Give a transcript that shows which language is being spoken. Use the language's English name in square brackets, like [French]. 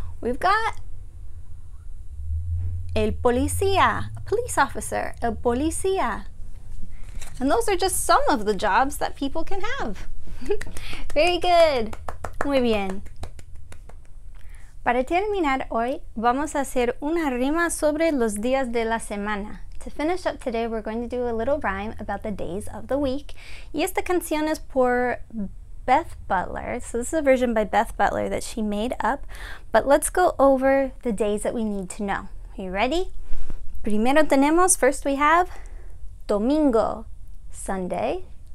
[English] We've got el policía, a police officer, el policía. And those are just some of the jobs that people can have. Very good. [Spanish] Muy bien. Para terminar hoy, vamos a hacer una rima sobre los días de la semana. [English] To finish up today, we're going to do a little rhyme about the days of the week. [Spanish] Y esta canción es por Beth Butler. [English] So this is a version by Beth Butler that she made up. But let's go over the days that we need to know. Are you ready? [Spanish] Primero tenemos, [English] first we have domingo, Sunday.